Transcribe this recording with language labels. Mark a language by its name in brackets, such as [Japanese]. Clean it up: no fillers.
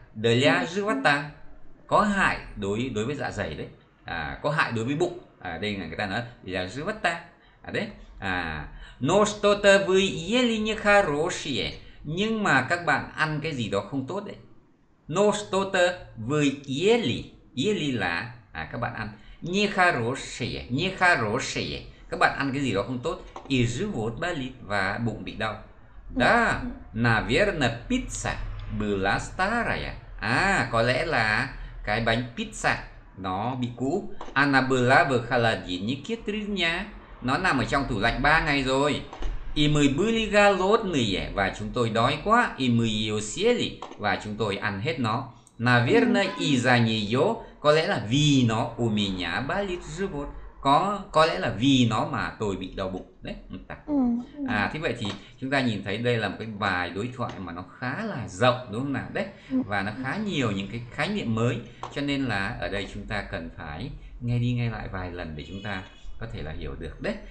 [Russian] Для живота, [Vietnamese] có hại đối với dạ dày đấy. À, có hại đối với bụng. À, đây là người ta nói là живота. À, đấy. [Russian] À, но что-то вы ели нехорошее. [Vietnamese] Nhưng mà các bạn ăn cái gì đó không tốt đấy. [Russian] No что-то вы ели. [Vietnamese] Ели là à, các bạn ăn. [Russian] Нехорошее. Нехорошее. [Vietnamese] Các bạn ăn cái gì đó không tốt. [Russian] И живот болит. [Vietnamese] Và bụng bị đau. [Russian] Да, наверное, pizza была старая. [Vietnamese] À, có lẽ là cái bánh pizza nó bị cũ. [Russian] Она была в холодильнике 3 дня. [Vietnamese] Nó nằm ở trong tủ lạnh 3 ngày rồi. [Russian] И мы были голодные. [Vietnamese] Và chúng tôi đói quá. [Russian] И мы ее съели. [Vietnamese] Và chúng tôi ăn hết nó. [Russian] Наверное, из-за нее. [Vietnamese] Có lẽ là vì nó. [Russian] У меня болит живот. [Vietnamese] Có lẽ là vì nó mà tôi bị đau bụng đấy. À thế vậy thì chúng ta nhìn thấy đây là một cái bài đối thoại mà nó khá là rộng đúng không nào đấy, và nó khá nhiều những cái khái niệm mới, cho nên là ở đây chúng ta cần phải nghe đi nghe lại vài lần để chúng ta có thể là hiểu được đấy.